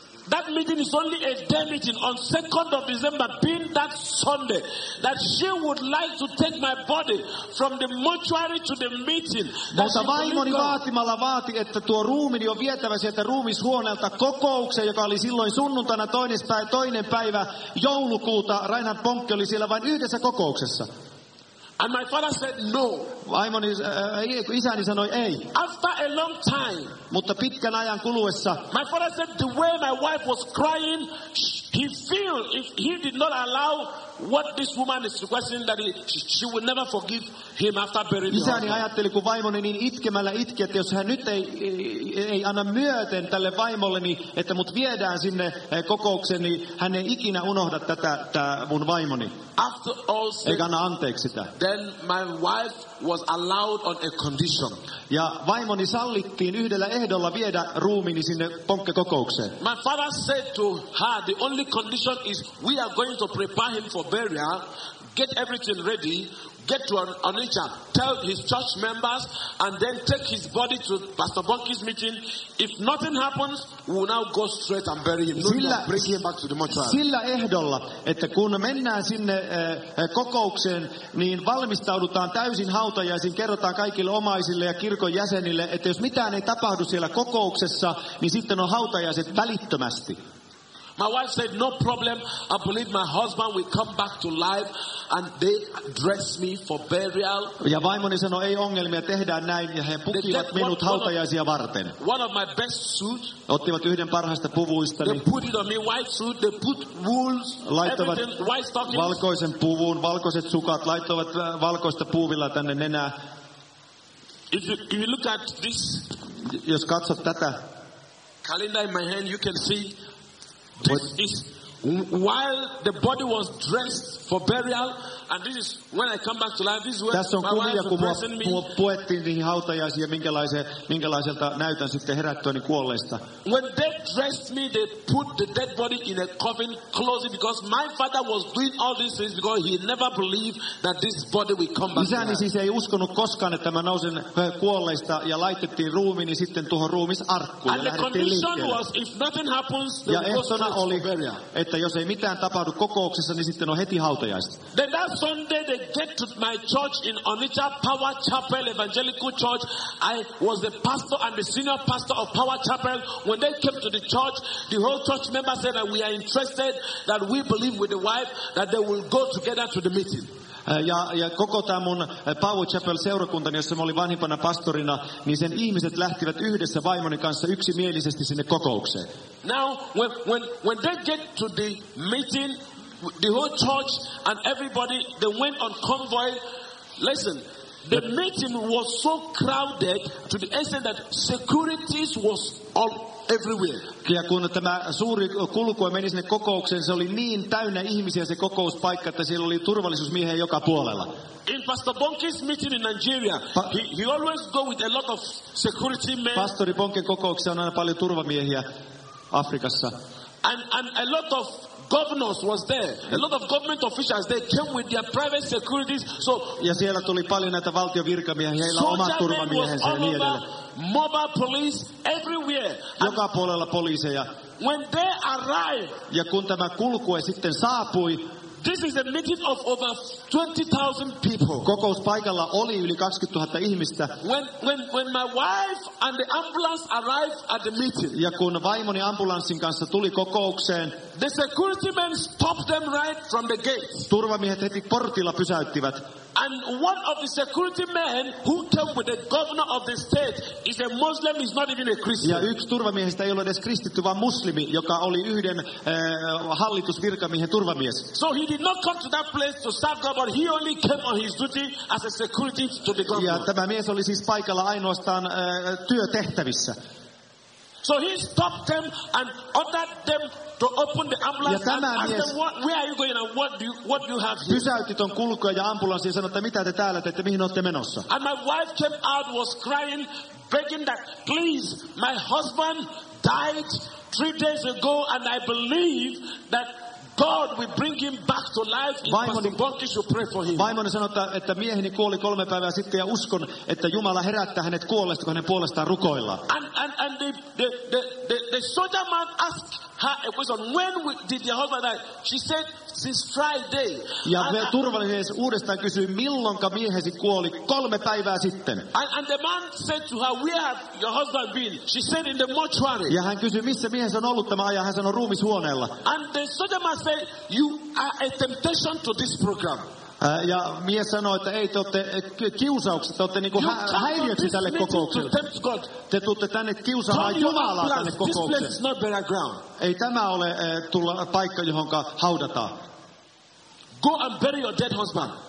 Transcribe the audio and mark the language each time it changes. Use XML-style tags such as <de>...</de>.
<en>That meeting is only a day meeting on 2nd of December, being that Sunday, that she would like to take my body from the mortuary to the meeting.</en> <fi>Mutta vaimoni vaatimalla vaati, että tuo ruumini on vietävä sieltä ruumishuoneelta kokoukseen, joka oli silloin sunnuntaina toinen päivä joulukuuta. Reinhard Bonnke oli siellä vain yhdessä kokouksessa.</fi> <en>And my father said no.</en> <fi>Isäni sanoi ei.</fi> <en>After a long time.</en> <fi>Mutta pitkän ajan kuluessa.</fi> <en>My father said the way my wife was crying, he feel if he did not allow what this woman is requesting, that she would never forgive him after burying her.</en> <fi>Isäni ajatteli, kun vaimoni niin itkemällä itki, että jos hän nyt ei anna myöten tälle vaimolle, niin että mut viedään sinne kokoukseen, niin hän ei ikinä unohda tätä mun vaimoni.</fi> <en>After all said,</en> <fi>eikä anna anteeksi sitä.</fi> <en>Then my wife was allowed on a condition.</en> <fi>Ja vaimoni sallittiin yhdellä ehdolla viedä ruumiini sinne Bonnke-kokoukseen.</fi> <en>My father said to her, the only condition is we are going to prepare him for burial, get everything ready, get to Onitsha, tell his church members, and then take his body to Pastor Bonki's meeting. If nothing happens, we will now go straight and bury him.</en> <fi>Sillä,</fi> <en>no, bring him back to the mortuary.</en> <fi>Sillä ehdolla, että kun mennään sinne kokoukseen, niin valmistaudutaan täysin hautajaisin, kerrotaan kaikille omaisille ja kirkon jäsenille, että jos mitään ei tapahdu siellä kokouksessa, niin sitten on hautajaiset välittömästi.</fi> <en>My wife said, no problem, I believe my husband will come back to life and they dress me for burial.</en> <fi>Ja vaimoni sanoi, ei ongelmia, tehdään näin, ja he pukivat minut hautajaisia varten.</fi> <en>One of my best suits.</en> <fi>Ottivat yhden parhaista puvuista.</fi> <en>They put it on me, white suit, they put wools,</en> <fi>laittavat</fi> <en>everything, white stockings.</en> <fi>Valkoisen puvun, valkoiset sukat, laittavat valkoista puuvilla tänne nenää.</fi> <en>If you look at this,</en> <fi>jos katsot tätä</fi> <en>calendar in my hand, you can see this is while the body was dressed for burial, and this is when I come back to life. This is where</en> <fi>tässä on kuvia, kun mua puettiin niihin hautajaisiin, ja minkälaiselta näytän sitten herättyäni kuolleista.</fi> <en>When they dressed me, they put the dead body in a coffin, close it, because my father was doing all these things because he never believed that this body would come back.</en> <fi>Isäni siis ei uskonut koskaan, että mä nousen kuolleista, ja laitettiin ruumiini sitten tuohon ruumisarkkuun.</fi> <en>And the condition was, if nothing happens, then we go straight to burial.</en> <fi>Että jos ei mitään tapahdu kokouksessa, niin sitten on heti hautajaiset.</fi> <en>Then that Sunday they get to my church in Onitsha, Power Chapel Evangelical Church. I was the pastor and the senior pastor of Power Chapel. When they came to the church, the whole church member said that we are interested, that we believe with the wife, that they will go together to the meeting.</en> <fi>Ja koko tämä mun Power Chapel-seurakuntani, jossa mä olin vanhimpana pastorina, niin sen ihmiset lähtivät yhdessä vaimoni kanssa yksimielisesti sinne kokoukseen.</fi> <en>Now, when they get to the meeting, the whole church and everybody, they went on convoy. Listen, the meeting was so crowded to the extent that securities was all everywhere.</en> <fi>Ja kun tämä suuri kulku meni sinne kokoukseen, se oli niin täynnä ihmisiä se kokouspaikka, että siellä oli turvallisuusmiehiä joka puolella.</fi> <en>In Pastor Bonke's meeting in Nigeria, he always go with a lot of security men.</en> <fi>Pastori Bonken kokouksessa on aina paljon turvamiehiä Afrikassa.</fi> <en>And a lot of governors was there. A lot of government officials, they came with their private securities. So,</en> <fi>ja siellä tuli paljon näitä valtion virkamiehiä, heillä omat turvamiehensä ja niin edelleen.</fi> <en>Mobile police everywhere.</en> <fi>Joka puolella poliiseja.</fi> <en>When they arrived,</en> <fi>ja kun tämä kulkue sitten saapui,</fi> <en>this is a meeting of over 20,000 people.</en> <fi>Kokouspaikalla oli yli 20,000 ihmistä.</fi> <en>When my wife and the ambulance arrived at the meeting.</en> <fi>Ja kun vaimoni ambulanssin kanssa tuli kokoukseen.</fi> <en>The security men stopped them right from the gate.</en> <fi>Turvamiehet heti portilla pysäyttivät.</fi> <en>And one of the security men who came with the governor of the state is a Muslim, he's not even a Christian.</en> <fi>Ja yksi turvamiehistä ei ole edes kristitty, vaan muslimi, joka oli yhden hallitusvirkamiehen turvamies.</fi> <en>So he did not come to that place to serve God, but he only came on his duty as a security to the governor.</en> <fi>Ja tämä mies oli siis paikalla ainoastaan työtehtävissä.</fi> <en>So he stopped them and ordered them to open the ambulance.</en> <fi>Ja tämä</fi> <en>and</en> <fi>mies,</fi> <en>them, where are you going and what do you have here?</en> <fi>Pysäytti ton kulkuja ja ambulanssi ja sanoi, että mitä te täällä teette, mihin olette menossa.</fi> <en>And my wife came out, was crying, begging that, please, my husband died 3 days ago and I believe that God will bring him back to life.</en> <fi>Vaimoni,</fi> <en>Pastor Bonke should pray for him.</en> <fi>Vaimoni sanoi, että mieheni kuoli 3 päivää sitten ja uskon, että Jumala herättää hänet kuolleesta, kun hänen puolestaan rukoillaan.</fi> <en>And the soldier man asked her a question, when did your husband die? She said, since Friday.</en> <fi>Ja turvallinen uudestaan kysyi, milloinka miehesi kuoli 3 päivää sitten.</fi> <en>And the man said to her, where has your husband been? She said, in the mortuary.</en> <fi>Ja hän kysyi, missä miehesi on ollut tämä ajan, hän sanoi, ruumishuoneella.</fi> <en>And the soldier man said, you are a temptation to this program.</en> <fi>Ja mies sanoi, että ei, te olette kiusaukset, te olette niin kuin häiriöksi tälle kokoukselle. Te tuutte tänne kiusaamaan Jumalaa tänne kokoukseen. Ei tämä ole tulla paikka, johonka haudataan.</fi> <en>Go and bury your dead husband.</en>